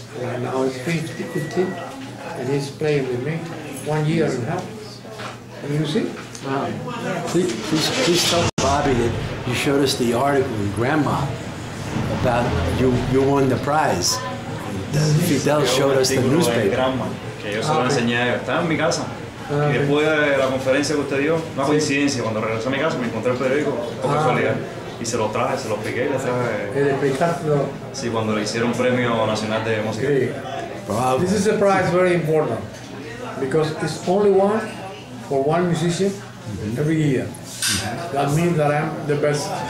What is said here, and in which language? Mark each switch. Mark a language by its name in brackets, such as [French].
[English] And now he's 15, and he's playing with me 1 year and a half. And you see? Wow. Please tell Bobby that you showed us the article in Grandma about you won the prize. Fidel showed us the newspaper. [Spanish] Grandma. Que yo se lo enseñé. Estaba en mi casa. Y después de la conferencia que usted dio, una coincidencia, cuando regresé a mi casa me encontré el periódico, por casualidad. Y se lo traje, se lo expliqué y le traje. El espectáculo. Sí, cuando le hicieron premio nacional de música. Sí. [English] Wow. This is a prize very important because it's only one for one musician every year. That means that I'm the best.